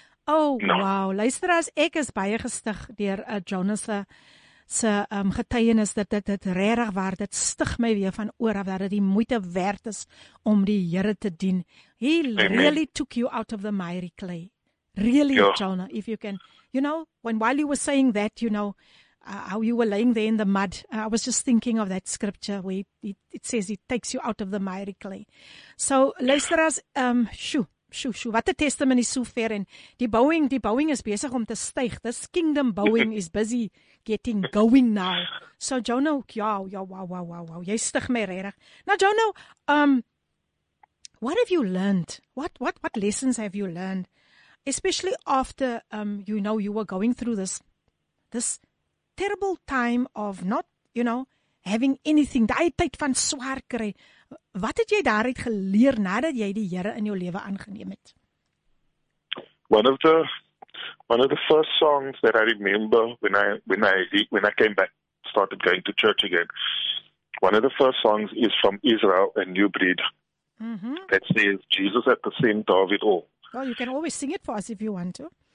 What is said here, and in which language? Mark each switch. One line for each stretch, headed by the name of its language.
Afrikaans: Oh, wow. Luisteraars, ek is baie gestig deur Jonathan se getuienis dat dit regtig waar, dit stig my weer van oor af dat dit die moeite werd is om die Here te dien.
English: He really took you out of the miry clay. Really, Jonah, if you can. You know, while you were saying that, you know, how you were laying there in the mud, I was just thinking of that scripture where it says it takes you out of the miry clay.
Afrikaans: So, luisteraars, wat 'n testimony so ver. En die Boeing is besig om te styg.
English: This kingdom Boeing is busy getting going now. So, Jonah, wow.
Afrikaans: Jy stig my regtig.
English: Now, Jonah, what have you learned? What lessons have you learned? Especially after, you know, you were going through this terrible time of not, you know, having anything.
Afrikaans: Daai tyd van swaar kry. Wat het jy daaruit geleer nadat jy die Here in jou lewe aangeneem het?
English: One of the first songs that I remember when I came back, started going to church again. One of the first songs is from Israel, A New Breed. Mm-hmm. That says, Jesus at the center of it all. Well, you can always sing it for us if you want to.